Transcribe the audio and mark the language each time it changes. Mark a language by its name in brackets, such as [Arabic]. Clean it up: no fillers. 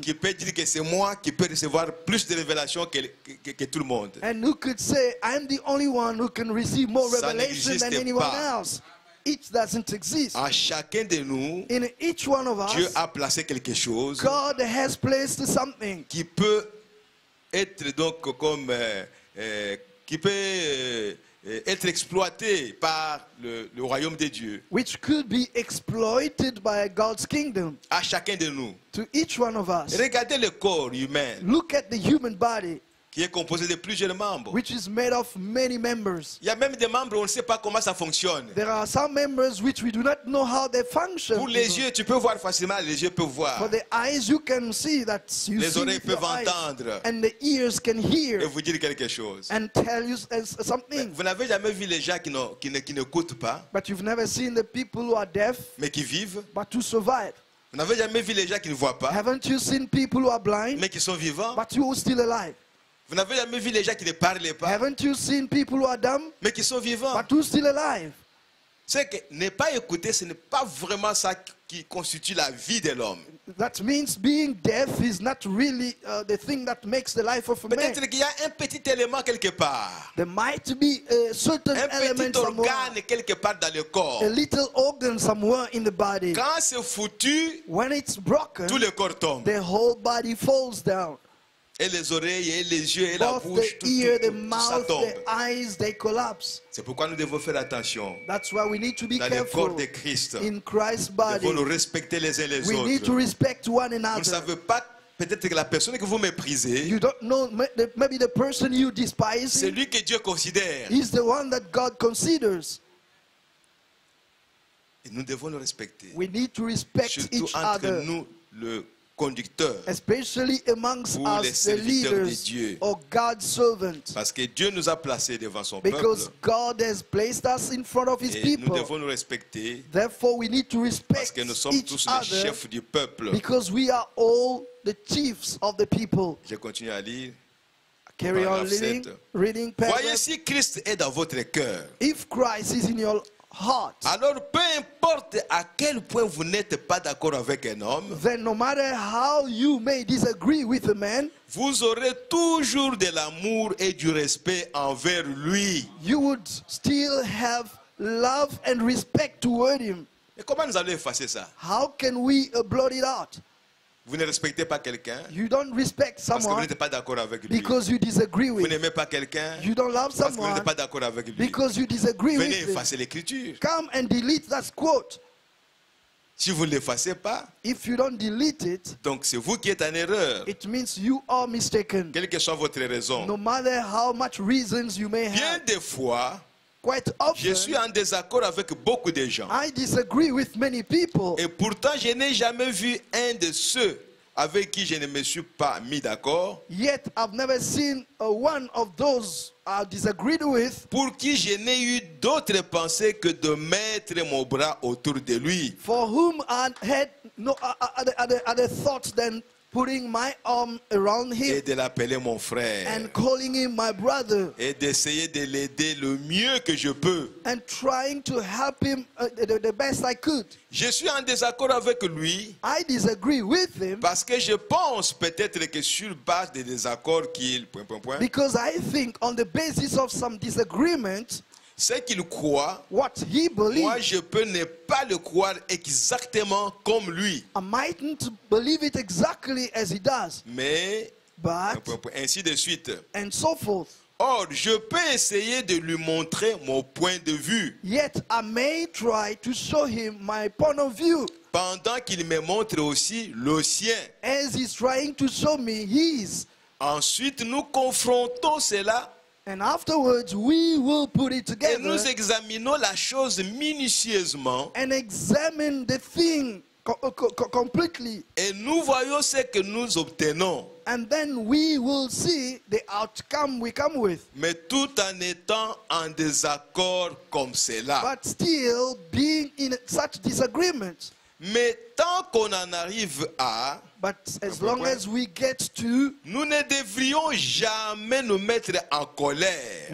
[French] qui peut dire que c'est moi qui peux recevoir plus de révélations que tout le monde. [English] And who could say I'm the only one who can receive more revelation than anyone [French] pas. [English] Else? It doesn't exist. [French] À chacun de nous, [English] in each one of us, [French] Dieu a placé quelque chose, [English] God has placed something, [French] qui peut être donc comme qui peut être exploité par le royaume de Dieu, [English] which could be exploited by God's kingdom, [French] à chacun de nous, [English] to each one of us. [French] Regardez le corps humain, [English] look at the human body, [French] qui est composé de plusieurs membres. [English] Which is made of many members. [French] Il y a même des membres où on ne sait pas comment ça fonctionne. [English] There are some members which we do not know how they function. [French] Pour les yeux, tu peux voir facilement. Les yeux peuvent voir. [English] For the eyes, you can see that you [French] les oreilles [English] see [French] peuvent entendre. [English] And the ears can hear. [French] Et vous dire quelque chose. [English] And tell you something. [French] Vous n'avez jamais vu les gens qui n'écoutent pas. [English] But you've never seen the people who are deaf. [French] Mais qui vivent. [English] But to survive. [French] Vous n'avez jamais vu les gens qui ne voient pas. [English] Haven't you seen people who are blind? [French] Mais qui sont vivants. [English] But you are still alive. [French] Vous n'avez jamais vu les gens qui ne parlaient pas? [English] Haven't you seen people who are dumb? [French] Mais qui sont vivants? [English] But who's still alive? [French] C'est que ne pas écouter, ce n'est pas vraiment ça qui constitue la vie de l'homme. [English] That means being deaf is not really the thing that makes the life of a man. [French] Peut-être qu'il y a un petit élément quelque part. [English] There might be a certain [French] un [English] element [French] petit organe [English] somewhere, [French] quelque part dans le corps. [English] A little organ somewhere in the body. [French] Quand c'est foutu, [English] when it's broken, [French] tout le corps tombe. [English] The whole body falls down. [French] Et les oreilles, et les yeux, et [English] both [French] la bouche, [English] the ear, the mouth, the eyes, they collapse. [French] C'est pourquoi nous devons faire attention. [English] That's why we need to be [French] dans [English] careful. [French] Dans le corps de Christ. [English] In Christ's body. [French] Nous devons respecter les uns les [English] we [French] autres. [English] We need to respect one another. [French] Vous ne savez pas Peut-être que la personne que vous méprisez, [English] you don't know, maybe the person you despise, [French] c'est lui que Dieu considère. [English] Is the one that God considers. [French] Et nous devons le respecter. [English] We need to respect [French] surtout [English] each [French] entre [English] other, [French] nous, le conducteur, [English] especially amongst [French] ou [English] us, [French] les serviteurs [English] the [French] de Dieu. [English] Or God's servant. [French] Parce que Dieu nous a placés devant son [English] Because [French] peuple. [English] God has placed us in front of his [French] Et [English] people. [French] Nous devons nous respecter. [English] Therefore, we need to respect [French] parce que nous sommes tous les chefs du peuple. [English] Because we are all the chiefs of the people. [French] Je continue à lire. [English] Carry on reading. Reading [French] Voyez si Christ est dans votre cœur. [English] If Christ is in your heart. [French] Alors peu importe à quel point vous n'êtes pas d'accord avec un homme, [English] then no matter how you may disagree with a man, [French] vous aurez toujours de l'amour et du respect envers lui. [English] You would still have love and respect toward him. [French] Et comment nous allons effacer ça? [English] How can we blot it out? [French] Vous ne respectez pas quelqu'un. [English] You don't respect someone. [French] Parce que vous n'êtes pas d'accord avec lui. [English] Because you disagree with. [French] Vous n'aimez pas quelqu'un. [English] You don't love someone. [French] Parce que vous n'êtes pas d'accord avec lui. [English] Because you disagree [French] Venez [English] with. [French] Venez effacer l'écriture. [English] Come and delete that quote. [French] Si vous ne l'effacez pas, [English] if you don't delete it, [French] donc c'est vous qui êtes en erreur. [English] It means you are mistaken. [French] Quelle que soit votre raison. [English] No matter how much reasons you may have. [French] Bien des fois, [English] quite often, [French] je suis en désaccord avec beaucoup de gens. [English] I disagree with many people. [French] Et pourtant, je n'ai jamais vu un de ceux avec qui je ne me suis pas mis d'accord. [English] Yet, I've never seen one of those I disagreed with. [French] Pour qui je n'ai eu d'autre pensée que de mettre mon bras autour de lui. [English] For whom I had no other thoughts than putting my arm around him [French] et de l'appeler mon frère [English] and calling him my brother [French] et d'essayer de l'aider le mieux que je peux [English] and trying to help him the best I could. [French] Je suis en désaccord avec lui [English] I disagree with him [French] parce que je pense peut-être que sur base des désaccords qu'il [English] because I think on the basis of some disagreement [French] ce qu'il croit, [English] what he believes, [French] moi je peux ne pas le croire exactement comme lui. [English] I mightn't believe it exactly as he does. [French] Mais, [English] but, [French] ainsi de suite. [English] And so forth. [French] Or, je peux essayer de lui montrer mon point de vue. [English] Yet I may try to show him my point of view. [French] Pendant qu'il me montre aussi le sien. [English] As he's trying to show me his. [French] Ensuite, nous confrontons cela. [English] And afterwards, we will put it together. [French] Et nous examinons la chose minutieusement. [English] And examine the thing completely. [French] Et nous voyons ce que nous obtenons. [English] And then we will see the outcome we come with. [French] Mais tout en étant en désaccord comme cela. [English] But still being in such disagreement. [French] Mais tant qu'on en arrive à. [English] But as long as we get to, [French] nous ne devrions jamais nous mettre en colère.